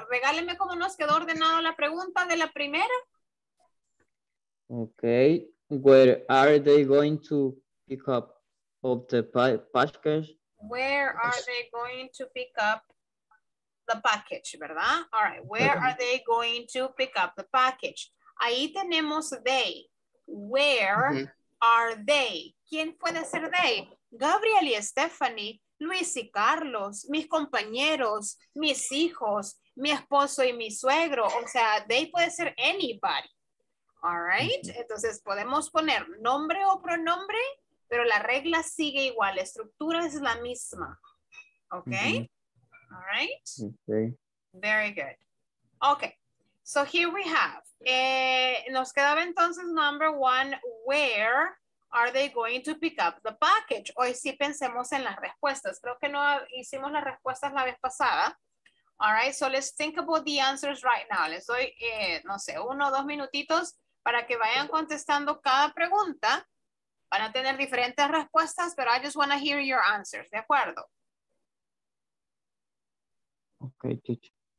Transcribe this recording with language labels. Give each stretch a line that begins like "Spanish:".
Spanish: Regálenme cómo nos quedó ordenado la pregunta de la primera.
English: Okay. Where are they going to pick up of the packages? Where are they going to pick up the package, ¿verdad? All right. Where are they going to pick up the package?
Spanish: Ahí tenemos they.
English: Where are they?
Spanish: ¿Quién puede ser they? Gabriel y Stephanie, Luis y Carlos, mis compañeros, mis hijos, mi esposo y mi suegro. O sea, they puede ser anybody.
English: All right.
Spanish: Entonces podemos poner nombre o pronombre, pero la regla sigue igual. La estructura es la misma.
English: Okay. All right. Okay. Very good. Okay. So here we have.
Spanish: Nos quedaba entonces
English: number one. Where are they going to pick up the package?
Spanish: Hoy sí pensemos en las respuestas. Creo que no hicimos las respuestas la vez pasada.
English: All right. So let's think about the answers right now.
Spanish: Les doy, no sé, uno o dos minutitos. Para que vayan contestando cada pregunta, van a tener diferentes respuestas, pero
English: I just want to hear your answers,
Spanish: ¿de acuerdo?
English: Okay, teacher.